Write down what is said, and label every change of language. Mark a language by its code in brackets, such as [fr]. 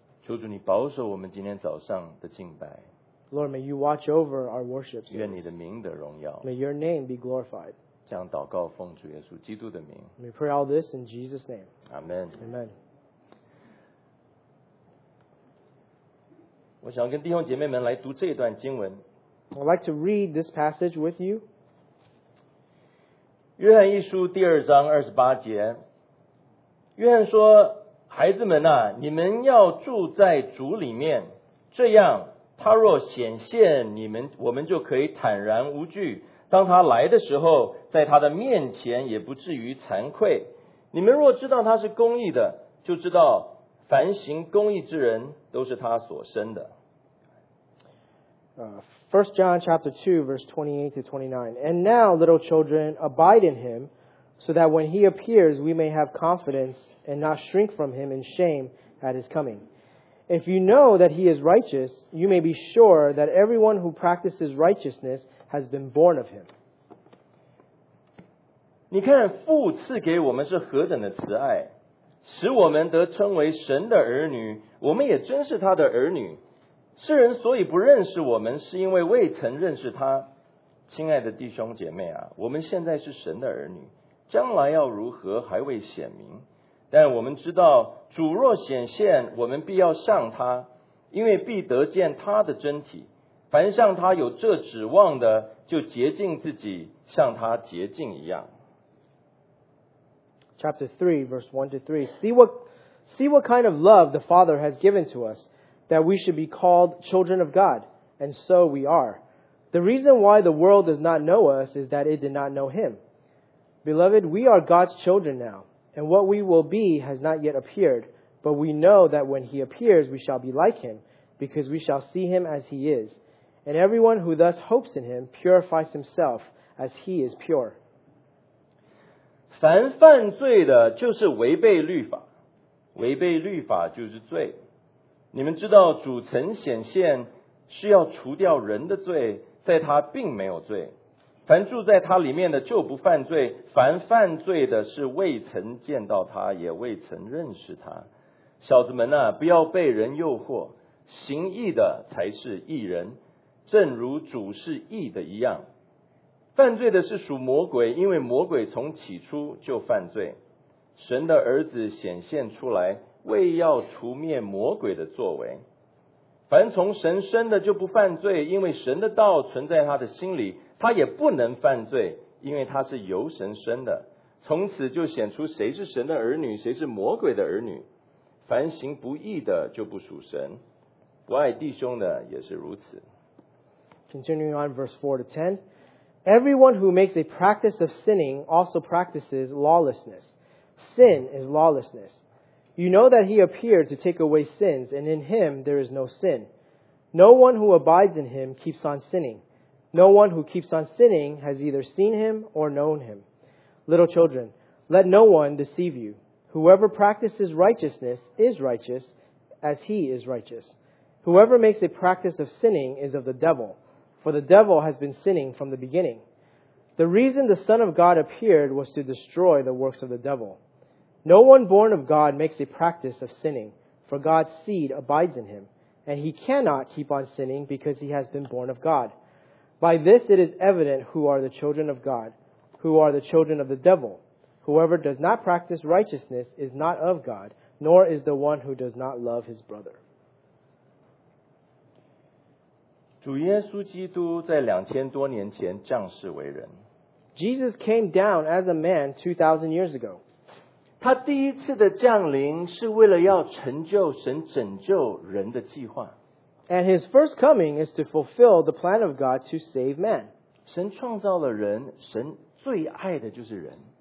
[zh] 求主你保守我们今天早上的敬拜。 [en] Lord, may you watch over our worship service. [zh] 愿你的名得荣耀。 [en] May your name be glorified. [zh] 这样祷告奉主耶稣基督的名。 [en] We pray all this in Jesus' name. Amen. Amen. [zh] 我想跟弟兄姐妹们来读这段经文。 [en] I'd like to read this passage with you. [zh] 约翰一书第二章二十八节。约翰说，孩子们啊，你们要住在主里面，这样他若显现你们，我们就可以坦然无惧。当他来的时候，在他的面前也不至于惭愧。你们若知道他是公义的，就知道凡行公义之人都是他所生的。 [en] First John chapter 2 verse 28 to 29. And now, little children, abide in him, so that when he appears, we may have confidence and not shrink from him in shame at his coming. If you know that he is righteous, you may be sure that everyone who practices righteousness has been born of him. [zh] 你看父赐给我们是何等的慈爱，使我们得称为神的儿女，我们也真是他的儿女。世人所以不认识我们，是因为未曾认识他。亲爱的弟兄姐妹啊，我们现在是神的儿女，将来要如何还未显明，但我们知道主若显现，我们必要像他，因为必得见他的真体。凡像他有这指望的，就洁净自己，像他洁净一样。 [en] Chapter 3 verse 1-3, see what kind of love the Father has given to us, that we should be called children of God, and so we are. The reason why the world does not know us is that it did not know him. Beloved, we are God's children now, and what we will be has not yet appeared, but we know that when he appears, we shall be like him, because we shall see him as he is. And everyone who thus hopes in him purifies himself as he is pure. [zh] 凡犯罪的就是违背律法，违背律法就是罪。你们知道主曾显现是要除掉人的罪，在他并没有罪。凡住在他里面的就不犯罪，凡犯罪的是未曾见到他，也未曾认识他。小子们啊，不要被人诱惑，行义的才是义人，正如主是义的一样。犯罪的是属魔鬼，因为魔鬼从起初就犯罪。神的儿子显现出来，为要除灭魔鬼的作为。凡从神生的就不犯罪，因为神的道存在他的心里，他也不能犯罪，因为他是由神生的。从此就显出谁是神的儿女，谁是魔鬼的儿女。凡行不义的就不属神，不爱弟兄的也是如此。 [en] Continuing on verse 4-10, everyone who makes a practice of sinning also practices lawlessness. Sin is lawlessness. You know that he appeared to take away sins, and in him there is no sin. No one who abides in him keeps on sinning. No one who keeps on sinning has either seen him or known him. Little children, let no one deceive you. Whoever practices righteousness is righteous, as he is righteous. Whoever makes a practice of sinning is of the devil. For the devil has been sinning from the beginning. The reason the Son of God appeared was to destroy the works of the devil. No one born of God makes a practice of sinning, for God's seed abides in him, and he cannot keep on sinning because he has been born of God. By this it is evident who are the children of God, who are the children of the devil. Whoever does not practice righteousness is not of God, nor is the one who does not love his brother. [zh] 主耶稣基督在2000多年前降世为人。 [en] Jesus came down as a man 2,000 years ago. [zh] 他第一次的降临是为了要成就神拯救人的计划。 [en] And his first coming is to fulfill the plan of God to save man. [zh] 神创造了人，神最爱的就是人。